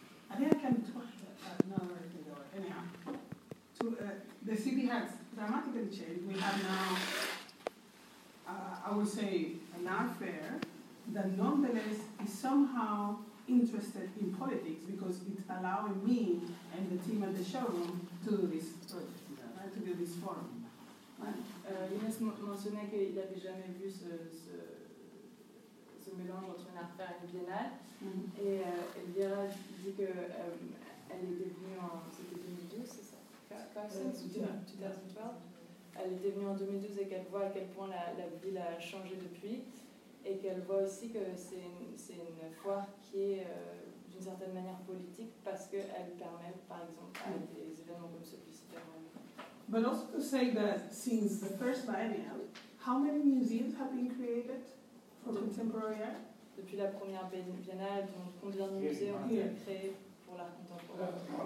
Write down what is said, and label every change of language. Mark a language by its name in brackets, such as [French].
[English] I think I can talk, the city has dramatically changed. We have now, I would say, an art fair that nonetheless is somehow interested in politics because it's allowing me and the team at the showroom to do this project, right? To do this forum. [French] Younes mentionnait qu'il n'avait jamais vu ce mélange entre une art fair et une biennale. Mm-hmm. Et Vera dit qu'elle était venue en 2012, c'est ça? Elle était venue en 2012 et qu'elle voit à quel point la ville a changé depuis. Et qu'elle voit aussi que c'est une foire qui est d'une certaine manière politique parce qu'elle permet, par exemple, à des événements comme celui-ci. [English] But also to say that since the first biennial, how many museums have been created for contemporary art? [French] Depuis la première biennale, donc combien de musées ont été créés pour l'art contemporain?